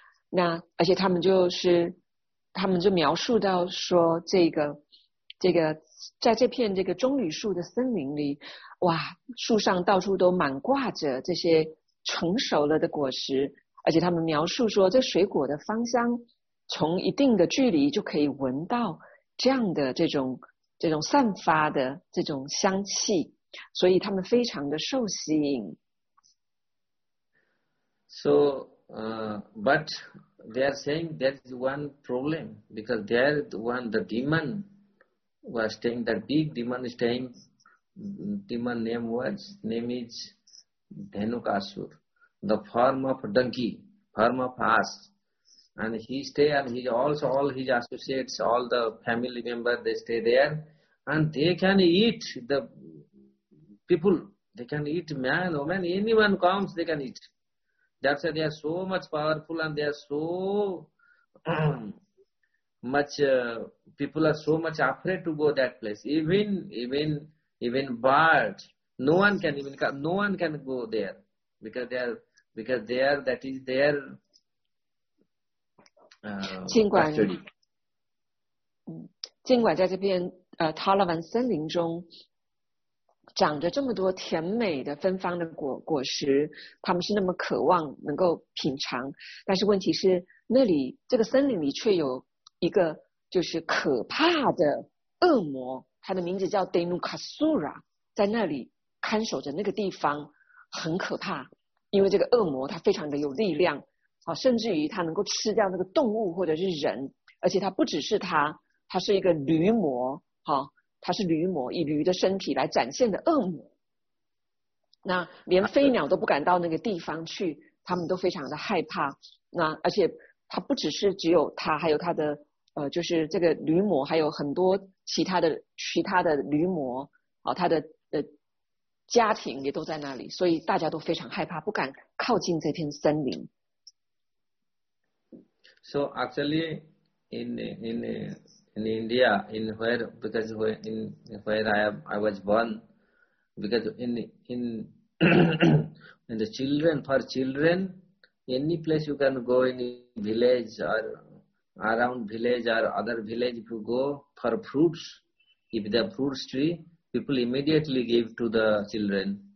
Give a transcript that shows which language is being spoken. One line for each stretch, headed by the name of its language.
Chinese: 那而且他们就描述到说这个在这片这个棕榈树的森林里，哇，树上到处都满挂着这些成熟了的果实，而且他们描述说这水果的芳香从一定的距离就可以闻到这样的这种散发的这种香气。所以他们非常的受吸引。
English: So, but they are saying that is one problem because there one the demon was staying, the big demon is staying. Demon name was name is Dhenukasur, the form of donkey, form of ass, and he stay and he also all his associates, all the family member they stay there, and they can eat the people, they can eat man, woman, anyone comes they can eat. That's why they are so much powerful and they are so much people are so much afraid to go that place. Even bird, no one can even come, no one can go there because they are that is their custody.
Chinese: 尽管在这边塔拉文森林中长着这么多甜美的芬芳的果实，他们是那么渴望能够品尝，但是问题是那里这个森林里却有一个就是可怕的恶魔，他的名字叫 Dhenukasura， 在那里看守着那个地方，很可怕，因为这个恶魔他非常的有力量，甚至于他能够吃掉那个动物或者是人，而且他不只是他是一个驴魔，他是驴魔，以驴的身体来展现的恶魔，那连飞鸟都不敢到那个地方去，他们都非常的害怕。那而且他不只是只有他，还有他的就是这个驴魔，还有很多其他的驴魔，他的家庭也都在那里，所以大家都非常害怕，不敢靠近这片森林。
English: So actually, in India, in where because where, in where I was born, because in the children for children, any place you can go in village or around village or other village, if you go for fruits, if the fruits tree, people immediately give to the children.